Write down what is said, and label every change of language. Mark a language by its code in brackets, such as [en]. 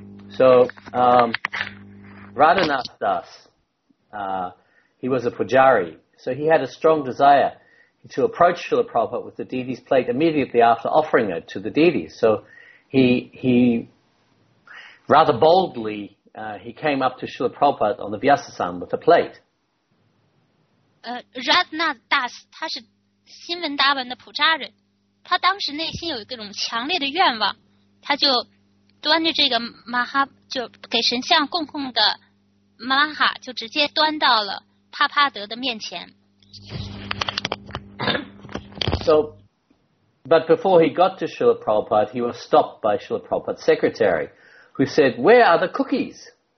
[en] So, Radhanath Das, he was a pujari, so he had a strong desire to approach Srila Prabhupada with the deity's plate immediately after offering it to the deity. So he rather boldly, he came up to Srila Prabhupada on the Vyasasam with a plate. [zh] Radhanath Das, 他是新闻达文的普扎人, 他当时内心有一个种强烈的愿望, 他就 端着这个玛哈，就给神像供奉的玛哈， 就直接端到了帕帕德的面前。 [en] So, but before he got to Srila Prabhupada, he was stopped by Srila Prabhupada's secretary, who said, "Where are the cookies?"